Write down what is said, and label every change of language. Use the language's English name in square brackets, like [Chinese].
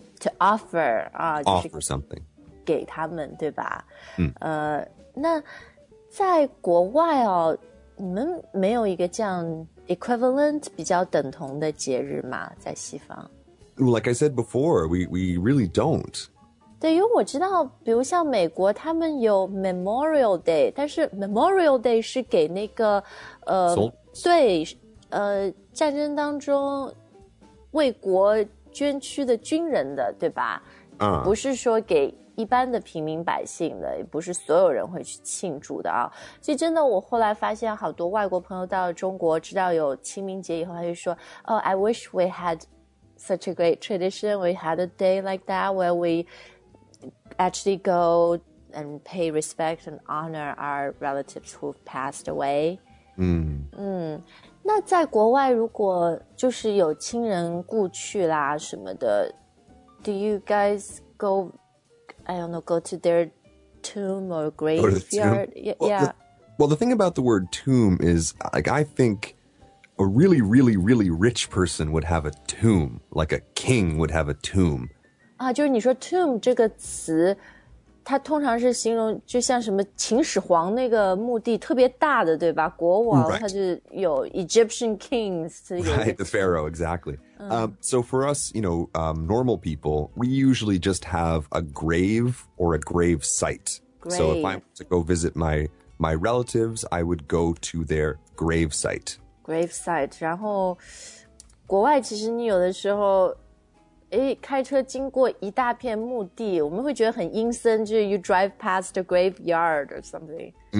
[English] To offer. Offer something. [Chinese] 给他们对吧、嗯、那在国外哦，你们没有一个这样equivalent 比较等同的节日吗在西方 [English] Like I said before, we really don't. [Chinese] 对因为我知道比如像美国他们有 Memorial Day, 但是 Memorial Day 是给那个对战争当中为国捐躯的军人的对吧、不是说给一般的平民百姓的也不是所有人会去庆祝的啊。所以真的我后来发现好多外国朋友到了中国知道有清明节以后他就说 [English] Oh, I wish we had such a great tradition. We had a day like that where we actually go and pay respect and honor our relatives who've passed away. [Chinese] 那在国外如果就是有亲人故去啦什么的 [English] Do you guys goI don't know, go to their tomb or graveyard. The thing about the word tomb is, like, I think a really, really, really rich person would have a tomb, like a king would have a tomb. [Chinese] 啊，就是你说 tomb 这个词，它通常是形容就像什么秦始皇那个墓地特别大的，对吧？国王他就有 [English] Egyptian kings. Right, the pharaoh, exactly. So for us, you know, normal people, we usually just have a grave or a grave site. Grave. So if I were to go visit my relatives, I would go to their grave site. Grave site. [Chinese] 然后国外其实你有的时候开车经过一大片墓地我们会觉得很阴森就是 [English] you drive past a graveyard or something.